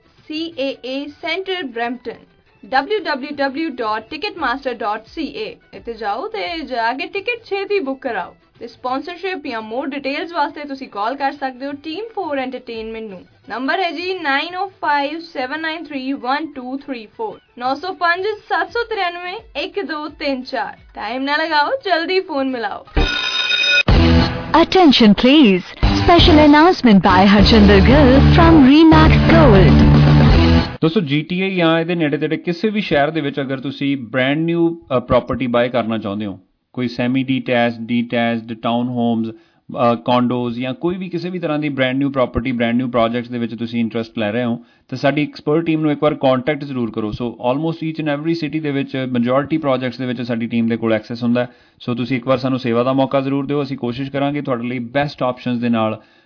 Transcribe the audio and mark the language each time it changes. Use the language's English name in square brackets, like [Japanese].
[Punjabi] CAA centre Brampton www.ticketmaster.ca ਇੱਥੇ ਜਾਓ ਤੇ ਜਾ ਕੇ ਟਿਕਟ ਛੇਤੀ ਬੁੱਕ ਕਰਾਓ ਤੇ ਸਪੋਂਸਰਸ਼ਿਪ ਜਾਂ ਮੋਰ ਡਿਟੇਲਸ ਵਾਸਤੇ ਤੁਸੀਂ ਕਾਲ ਕਰ ਸਕਦੇ ਹੋ ਟੀਮ 4 ਐਂਟਰਟੇਨਮੈਂਟ ਨੂੰ ਨੰਬਰ ਹੈ ਜੀ 905-793-1234 905-793-1234 ਟਾਈਮ ਨਾ ਲਗਾਓ ਜਲਦੀ ਫੋਨ ਮਿਲਾਓ [English] Attention please, special announcement by Harchinder Gill from Remax Gold. [Punjabi] ਦੋਸਤੋ ਜੀ ਟੀ ਏ ਜਾਂ ਇਹਦੇ ਨੇੜੇ ਤੇੜੇ ਕਿਸੇ ਵੀ ਸ਼ਹਿਰ ਦੇ ਵਿੱਚ ਅਗਰ ਤੁਸੀਂ ਬ੍ਰੈਂਡ ਨਿਊ ਪ੍ਰੋਪਰਟੀ ਬਾਏ ਕਰਨਾ ਚਾਹੁੰਦੇ ਹੋ ਕੋਈ ਸੈਮੀ ਡੀਟੈਚਡ ਡੀਟੈਚਡ ਟਾਊਨ ਹੋਮਸ ਕੋਂਡੋਜ਼ ਜਾਂ ਕੋਈ ਵੀ ਕਿਸੇ ਵੀ ਤਰ੍ਹਾਂ ਦੀ brand new property brand new projects ਦੇ ਵਿੱਚ ਤੁਸੀਂ ਇੰਟਰਸਟ ਲੈ ਰਹੇ ਹੋ ਤਾਂ ਸਾਡੀ ਐਕਸਪਰਟ ਟੀਮ ਨੂੰ ਇੱਕ ਵਾਰ ਕੋਂਟੈਕਟ ਜ਼ਰੂਰ ਕਰੋ [English] so almost each and every city [Punjabi] ਦੇ ਵਿੱਚ ਮੈਜੋਰਟੀ ਪ੍ਰੋਜੈਕਟਸ ਦੇ ਵਿੱਚ ਸਾਡੀ ਟੀਮ ਦੇ ਕੋਲ ਐਕਸੈਸ ਹੁੰਦਾ ਸੋ ਤੁਸੀਂ ਇੱਕ ਵਾਰ ਸਾਨੂੰ ਸੇਵਾ ਦਾ ਮੌਕਾ ਜ਼ਰੂਰ ਦਿਓ ਅਸੀਂ ਕੋਸ਼ਿਸ਼ ਕਰਾਂਗੇ ਤੁਹਾਡੇ ਲਈ ਬੈਸਟ ਆਪਸ਼ਨਸ ਦੇ ਨਾਲ